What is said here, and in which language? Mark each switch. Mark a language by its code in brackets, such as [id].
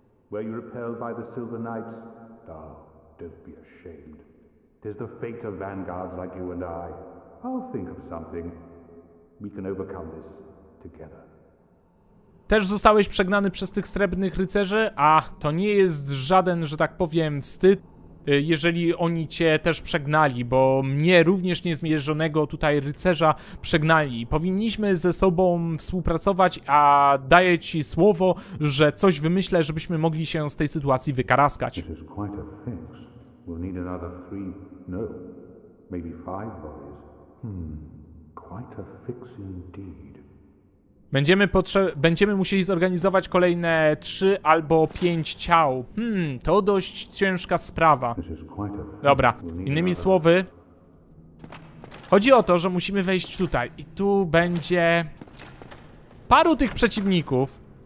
[en] Were you repelled by the Silver Knight? Don't be ashamed. 'Tis the fate of vanguards like you and I. I'll think of something. We can overcome this together. [pl] Też zostałeś przegnany przez tych srebrnych rycerzy, a to nie jest żaden, że tak powiem, wstyd, jeżeli oni cię też przegnali, bo mnie również niezmierzonego tutaj rycerza przegnali. Powinniśmy ze sobą współpracować, a daję ci słowo, że coś wymyślę, żebyśmy mogli się z tej sytuacji wykaraskać. To jest [en] quite a fix. We'll need another three, no, maybe five bodies. Quite a fix indeed. [pl] Będziemy musieli zorganizować kolejne 3 albo 5 ciał. To dość ciężka sprawa. Dobra, innymi słowy, chodzi o to, że musimy wejść tutaj. I tu będzie paru tych przeciwników.